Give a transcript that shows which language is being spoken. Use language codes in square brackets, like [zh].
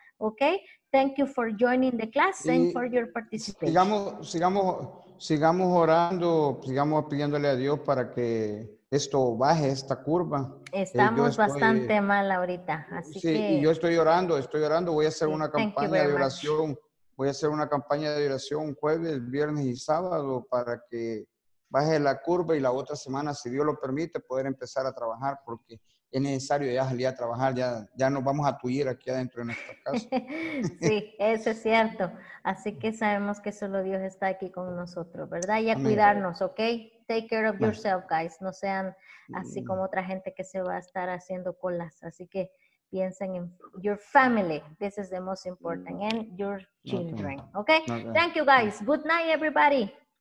[en] Okay, thank you for joining the class and for your participation. [es] Sigamos sigamos orando, sigamos pidiéndole a Dios para que esto baje, esta curva. Estamos bastante mal ahorita, así sí, que... Sí, y yo estoy orando, voy a hacer una campaña de oración. Voy a hacer una campaña de oración jueves, viernes y sábado para que baje la curva y la otra semana, si Dios lo permite, poder empezar a trabajar porque es necesario ya salir a trabajar, ya nos vamos a tullir aquí adentro de nuestra casa. Sí, eso es cierto. Así que sabemos que solo Dios está aquí con nosotros, ¿verdad? Y a cuidarnos, ¿ok? [en] Take care of yourself, guys. [es] No sean así como otra gente que se va a estar haciendo colas. Así que piensen en [en] your family. This is the most important. And your children. Okay? Thank you, guys. Good night, everybody.